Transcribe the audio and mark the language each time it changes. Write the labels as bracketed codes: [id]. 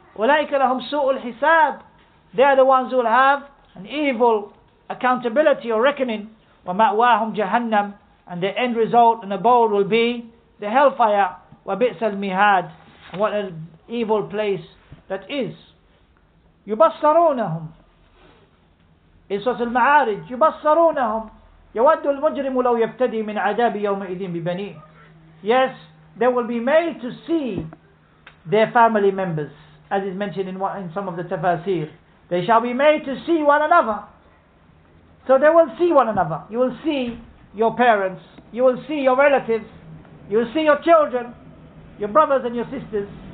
[ar] وَلَيْكَ لَهُمْ سُوءُ الْحِسَابِ, [en] they are the ones who will have an evil accountability or reckoning. [ar] وَمَأْوَاهُمْ جَهَنَّمْ, [en] and the end result and abode will be the hellfire. [ar] وَبِئْسَ الْمِهَادِ, [en] what an evil place that is. [ar] يُبَصَّرُونَهُمْ, [en] in Surah Al-Ma'arij, [ar] يُبَصَّرُونَهُمْ يَوَدُّ الْمُجْرِمُ لَوْ يَفْتَدِي مِنْ عَذَابِ يَوْمَئِذٍ بِبَنِيهِ. [en] Yes, they will be made to see their family members, as is mentioned in some of the tafaseer. They shall be made to see one another. So they will see one another. You will see your parents, you will see your relatives, you will see your children, your brothers and your sisters.